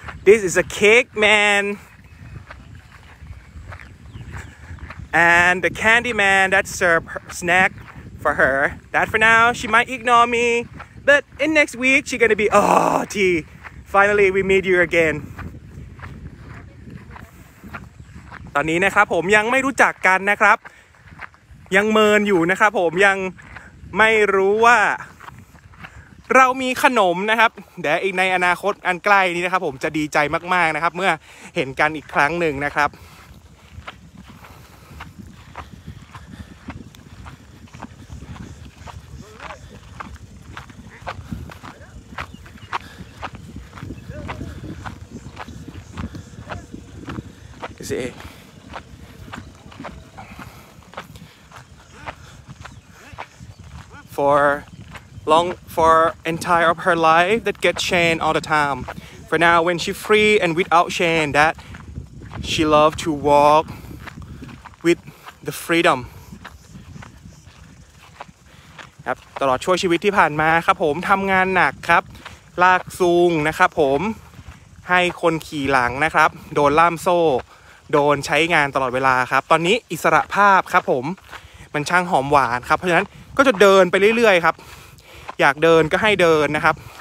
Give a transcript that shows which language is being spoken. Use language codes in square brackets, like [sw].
[en] This is a cake man and the candy man that serve her snack for her. That for now she might ignore me, but in next week she gonna be oh T. Finally we meet you again. [th] ตอนนี้นะครับผมยังไม่รู้จักกันนะครับยังเมินอยู่นะครับผมยังไม่รู้ว่า เรามีขนมนะครับเดี๋ยวอีกในอนาคตอันใกล้นี้นะครับผมจะดีใจมากๆนะครับเมื่อ เห็นกันอีกครั้งหนึ่งนะครับสิ [en] For long, for entire of her life, that get chained all the time. For now, when she free and without chain, that she love to walk with the freedom. [th] ครับตลอดช่วงชีวิตที่ผ่านมาครับผมทำงานหนักครับลากซูงนะครับผมให้คนขี่หลังนะครับโดนล่ามโซ่โดนใช้งานตลอดเวลาครับตอนนี้อิสระภาพครับผมมันช่างหอมหวานครับเพราะฉะนั้นก็จะเดินไปเรื่อยๆครับอยากเดินก็ให้เดินนะครับ